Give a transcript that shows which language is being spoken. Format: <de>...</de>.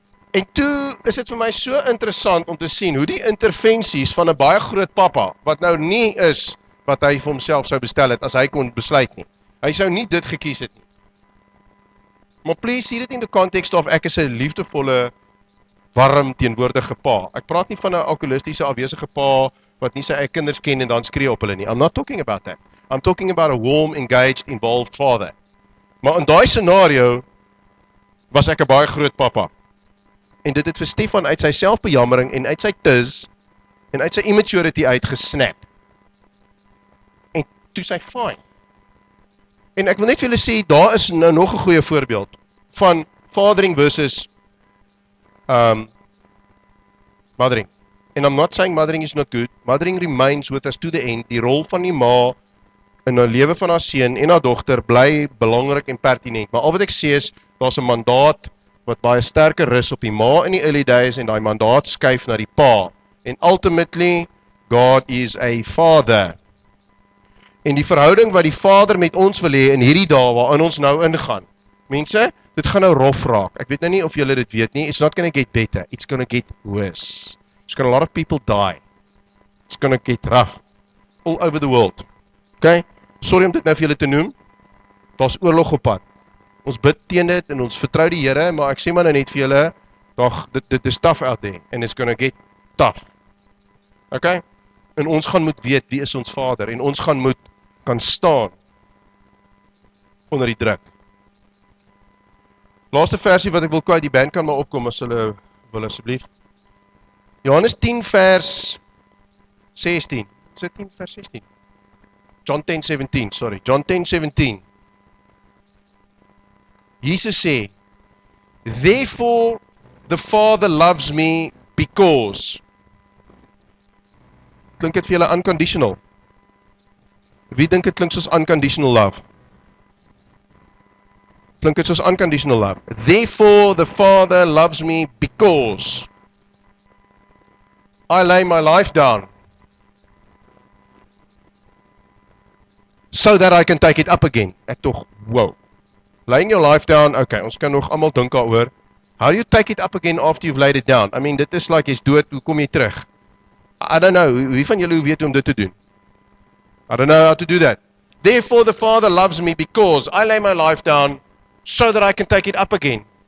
<af>En toe is dit vir my so interessant om te sien hoe die intervensies van 'n baie groot papa, wat nou nie is wat hy vir homself sou bestel het as hy kon besluit nie. Hy sou nie dit gekies het nie. Maar please, hier dit in die context of ek is 'n liefdevolle, warm, teenwoordige pa. Ek praat nie van 'n alkoholistiese afwesige pa wat nie sy eie kinders ken en dan skree op hulle nie.</af> <en>I'm not talking about that. I'm talking about a warm, engaged, involved father.</en> <af>Maar in daai scenario was ek 'n baie groot papa. En dit het vir Stefan uit sy selfbejammering en uit sy tis en uit sy immaturity uit gesnap. En toe sy fine. En ek wil net vir julle sê, daar is nou nog 'n goeie voorbeeld van fathering versus mothering. En</af> <en>I'm not saying mothering is not good. Mothering remains with us to the end.</en> <af>Die rol van die ma in haar lewe van haar seun en haar dogter bly belangrik en pertinent. Maar al wat ek sê is, daar's 'n mandaat wat baie sterker rus op die ma in die early days en daai mandaat skuif na die pa.</af> <en>En ultimately, God is a father.</en> <af>En die verhouding wat die vader met ons wil hê in hierdie dae waarin ons nou ingaan. Mense, dit gaan nou rof raak. Ek weet nou nie of julle dit weet nie.</af> <en>It's not going to get better. It's going to get worse. It's going to a lot of people die. It's going to get rough all over the world.</en> <af>Okay? Sorry om dit nou vir julle te noem. Daar's oorlog op pad. Ons bid teen dit en ons vertrou die Here, maar ek sê maar nou net vir julle, dog dit is</af> <en>tough out there and it's going to get tough.</en> <af>Okay? En ons gaan moet weet wie is ons vader en ons gaan moet kan staan onder die druk. Laaste versie wat ek wil kwyt, die band kan maar opkom as hulle wil asseblief. Johannes 10 vers 16. Is dit 10 vers 16?</af> <en>John 10 17.</en> <af>Jesus sê,</af> <en>therefore the Father loves me because.</en> <af>Klink dit vir julle unconditional? Wie dink dit klink soos unconditional love? Klink dit soos unconditional love.</af> <en>Therefore the Father loves me because I lay my life down so that I can take it up again.</en> <af>Ek tog, wow.</af> <en>Laying your life down, okay,</en> <af>ons kan nog almal dink daaroor.</af> <en>How do you take it up again after you've laid it down? I mean,</en> <af>dit is like jy's dood, hoe kom jy terug?</af> <en>I don't know,</en> <af>wie van julle weet hoe om dit te doen?</af> <en>I don't know how to do that. Therefore the Father loves me because I lay my life down so that I can take it up again.</en>